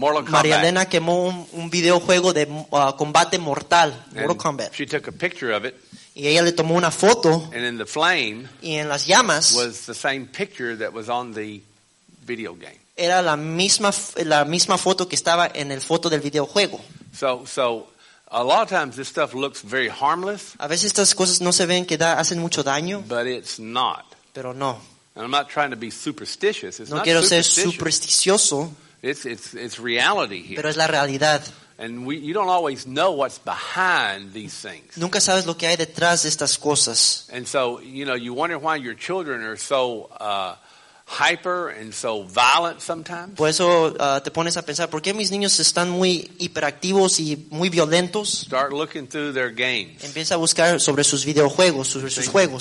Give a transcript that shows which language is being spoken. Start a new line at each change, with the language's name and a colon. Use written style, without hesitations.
Spanish: María Elena quemó un videojuego de combate mortal, Mortal Kombat.
English: She took a picture of it.
Spanish: Y ella le tomó una foto.
English: And in the flame.
Spanish: Y en las llamas.
English: Was the same picture that was on the video game.
Spanish: Era la misma foto que estaba en el foto del videojuego.
English: So a lot of times this stuff looks very harmless.
Spanish: A veces estas cosas no se ven que hacen mucho daño.
English: But it's not.
Spanish: Pero no.
English: And I'm not trying to be superstitious. It's
Spanish: no
English: not
Spanish: quiero
English: superstitious.
Spanish: Ser supersticioso.
English: It's reality here.
Spanish: Pero es la realidad.
English: And you don't always know what's behind these things.
Spanish: Nunca sabes lo que hay detrás de estas cosas.
English: And so, you know, you wonder why your children are so hyper and so violent sometimes.
Spanish: Por eso te pones a pensar, ¿por qué mis niños están muy hiperactivos y muy violentos?
English: Start looking through their games.
Spanish: Empieza a buscar sobre sus videojuegos, sobre sus juegos.